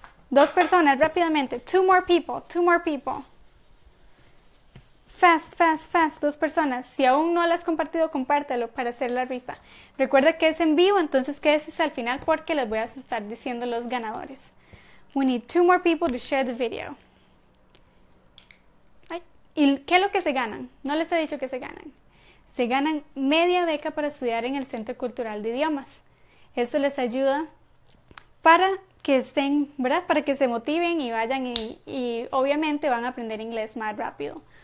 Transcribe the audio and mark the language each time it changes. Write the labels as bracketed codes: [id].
[es] Dos personas, rápidamente. [en] Two more people, two more people. Fast, fast, fast, [es] dos personas. Si aún no lo has compartido, compártelo para hacer la rifa. Recuerda que es en vivo, entonces quédese al final porque les voy a estar diciendo los ganadores. [en] We need two more people to share the video. [es] Ay. ¿Y qué es lo que se ganan? No les he dicho que se ganan. Se ganan media beca para estudiar en el Centro Cultural de Idiomas. Esto les ayuda para que estén, ¿verdad? Para que se motiven y vayan y obviamente van a aprender inglés más rápido.